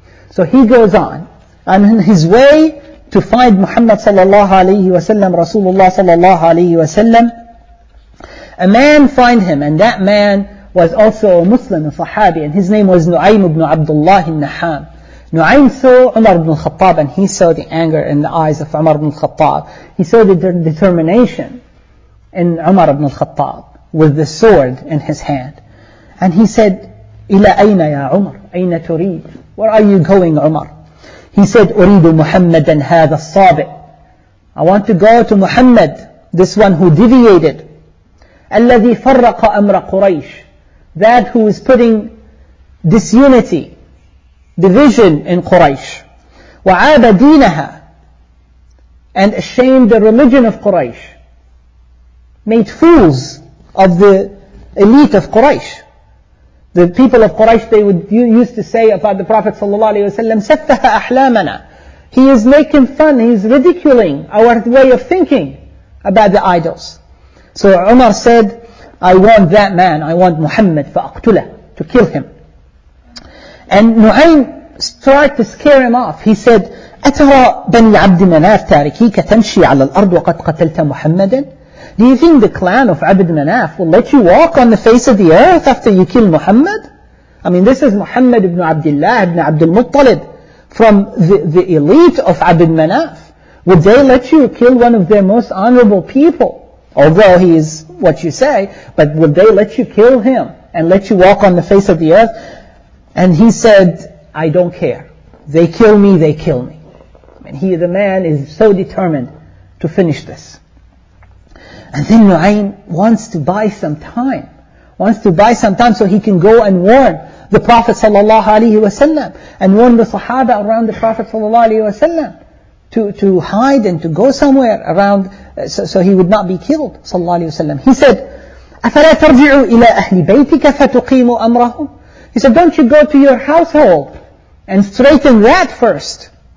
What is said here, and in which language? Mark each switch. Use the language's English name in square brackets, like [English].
[English] So he goes on, and in his way to find Muhammad sallallahu alayhi wa sallam, Rasulullah sallallahu alayhi wa sallam, a man find him, and that man was also a Muslim, a Sahabi, and his name was Nu'aym ibn Abdullah al-Naham. Nu'aym saw Umar ibn al-Khattab, and he saw the anger in the eyes of Umar ibn al-Khattab. He saw the determination in Umar ibn al-Khattab with the sword in his hand. And he said, [Arabic] إِلَىٰ أَيْنَ يَا عُمَرْ أَيْنَ تُرِيدْ. [English] Where are you going, Umar? He said, [Arabic] أُرِيدُ مُحَمَّدًا هَذَا الصَّابِعِ. [English] I want to go to Muhammad, this one who deviated. [Arabic] الَّذِي فَرَّقَ أَمْرَ قُرَيْشِ. [English] That who is putting disunity, division in Quraysh. [Arabic] وَعَابَ دِينَهَا. [English] And ashamed the religion of Quraysh. Made fools of the elite of Quraysh. The people of Quraysh, they used to say about the Prophet ﷺ, [Arabic] سَفَّهَ أَحْلَامَنَا. [English] He is making fun, he is ridiculing our way of thinking about the idols. So Umar said, I want that man, I want Muhammad, [Arabic] فَأَقْتُلَهُ, [English] to kill him. And Nu'aym tried to scare him off. He said, [Arabic] أَتَرَى بَنِي عَبْدِ مَنَافِ تَارِكِيكَ تَمْشِي عَلَى الْأَرْضِ وَقَدْ قَتَلْتَ مُحَمَّدًا. [English] Do you think the clan of Abd Manaf will let you walk on the face of the earth after you kill Muhammad? I mean, this is Muhammad ibn Abdullah ibn Abdul Muttalib from the elite of Abd Manaf. Would they let you kill one of their most honorable people? Although he is what you say, but would they let you kill him and let you walk on the face of the earth? And he said, I don't care. They kill me, they kill me. And he, the man, is so determined to finish this. And then Nu'aym wants to buy some time. Wants to buy some time so he can go and warn the Prophet sallallahu alaihi wasallam and warn the Sahaba around the Prophet sallallahu alaihi wasallam to hide and to go somewhere around so he would not be killed sallallahu alaihi wasallam. He said, [Arabic] أَفَلَا تَرْجِعُ إِلَىٰ أَهْلِ بَيْتِكَ فَتُقِيمُ أَمْرَهُمْ. [English] He said, don't you go to your household and straighten that first.